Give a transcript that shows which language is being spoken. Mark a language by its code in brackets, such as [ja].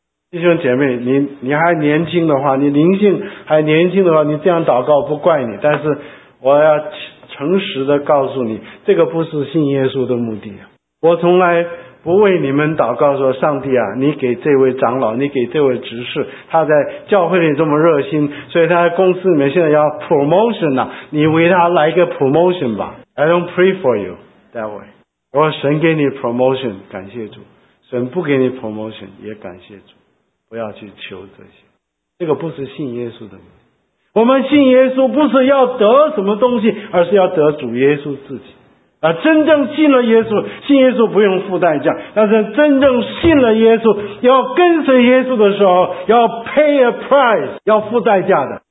[zh] 弟兄姐妹，你还年轻的话，你灵性还年轻的话，你这样祷告不怪你，但是我要诚实的告诉你，这个不是信耶稣的目的。我从来不为你们祷告说，上帝啊，你给这位长老，你给这位执事，他在教会里这么热心，所以他在公司里面现在要 promotion 啊，你为他来一个 promotion 吧。 [en] I don't pray for you that way。 [zh] 我说神给你 promotion 感谢主，神不给你 promotion 也感谢主，不要去求这些，这个不是信耶稣的。我们信耶稣不是要得什么东西，而是要得主耶稣自己啊，真正信了耶稣，信耶稣不用付代价，但是真正信了耶稣，要跟随耶稣的时候，要 [en] pay a price， [zh] 要付代价的。